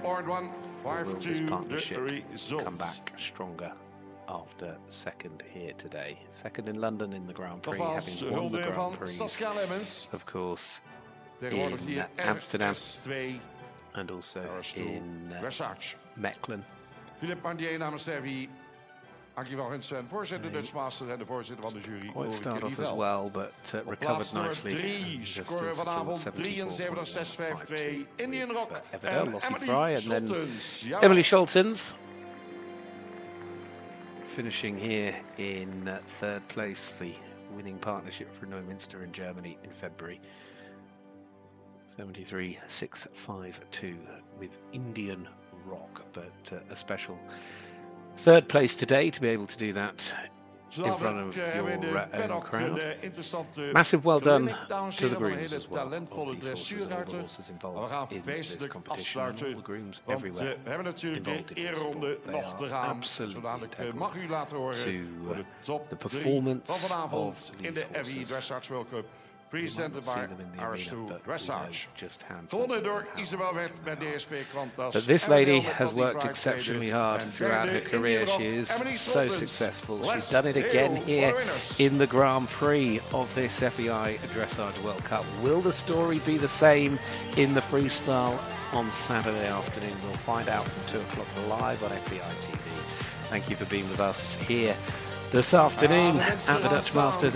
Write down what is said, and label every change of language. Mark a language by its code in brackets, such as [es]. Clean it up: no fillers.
[en] 74.152 results. Come back stronger after second here today. Second in London in the Grand Prix, [nl] Nogmaals, [en] having won the Grand Prix. Saskia Lemmens, of course, in Amsterdam and also in Mechelen. [nl] Philippe Pandier namens Servi, Ankie van Rensen, voorzitter [en] Dutch Masters [nl] en de voorzitter van de jury. [en] Quite start off as well, but recovered nicely. [nl] Plaats nummer 3, score vanavond 73.652. [en] Indian Rock en Emily Fry, Scholtens. Then Emily Scholtens. Finishing here in third place, the winning partnership for Neumünster in Germany in February. 73.652 with Indian Rock, but a special third place today to be able to do that in front of your own crowd. Massive well done to the grooms as well, of all the horses involved in this competition, all the grooms everywhere involved in this sport. They are absolutely integral to the performance of these horses. presented by Aristo Dressage. [nl] Volgende door Isabel Wendt met de ESP Contas. [en] This lady has worked exceptionally hard throughout her career. She is so successful. She's done it again here in the Grand Prix of this FEI Dressage World Cup. Will the story be the same in the freestyle on Saturday afternoon? We'll find out from 2 o'clock live on FEI TV. Thank you for being with us here this afternoon at the Dutch Masters.